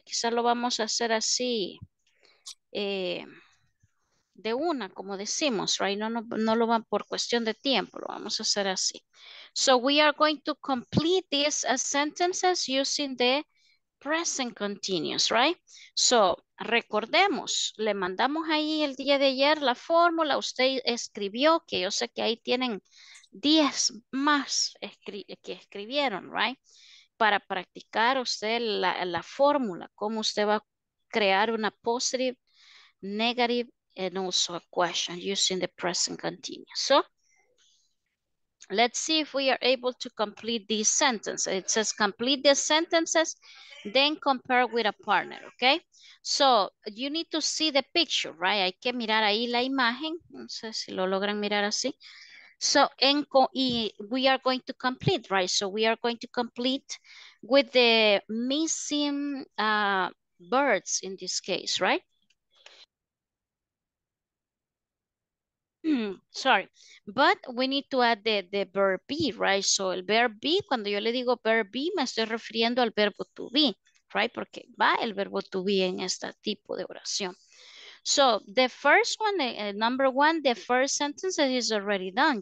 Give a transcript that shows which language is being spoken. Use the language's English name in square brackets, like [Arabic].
[Spanish] Quizá lo vamos a hacer así. De una, como decimos, right? No lo van por cuestión de tiempo. Lo vamos a hacer así. [English] So we are going to complete these sentences using the present continuous, right? [Spanish] So recordemos, le mandamos ahí el día de ayer la fórmula. Usted escribió, que yo sé que ahí tienen 10 más que escribieron, right? Para practicar usted la fórmula, cómo usted va a crear una [English] positive, negative, and also a question [Spanish] using the present continuous. [English] So let's see if we are able to complete these sentences. It says complete the sentences, then compare with a partner, okay? So you need to see the picture, right? [Spanish] Hay que mirar ahí la imagen. No sé si lo logran mirar así. [English] So we are going to complete, right? So we are going to complete with the missing birds in this case, right? Sorry, but we need to add the verb be, right? [Spanish] So el verb be, cuando yo le digo verb be, me estoy refiriendo al verbo to be, right? Porque va el verbo to be en este tipo de oración. [English] So the first one, number one, the first sentence is already done.